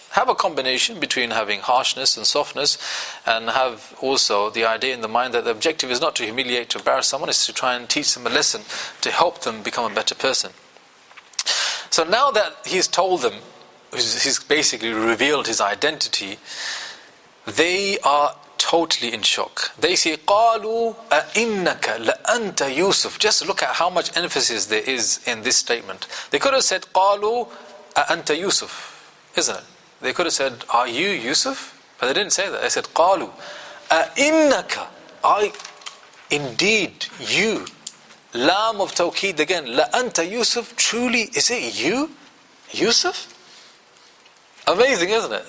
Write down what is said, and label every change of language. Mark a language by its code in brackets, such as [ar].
[en] Have a combination between having harshness and softness, and have also the idea in the mind that the objective is not to humiliate, to embarrass someone, it's to try and teach them a lesson to help them become a better person. So now that he's told them, he's basically revealed his identity, they are totally in shock. They say, [ar] قَالُوا أَإِنَّكَ لَأَنْتَ يُوسُفُ. [en] Just look at how much emphasis there is in this statement. They could have said, [ar] قَالُوا أَأَنْتَ يُوسُفُ, [en] isn't it? They could have said, are you Yusuf? But they didn't say that. They said, [ar] قَالُوا أَإِنَّكَ, [en] I, indeed, you. Lam of Tawqeed again. [ar] لَأَنْتَ يُوسُف, [en] truly, is it you? Yusuf? Amazing, isn't it?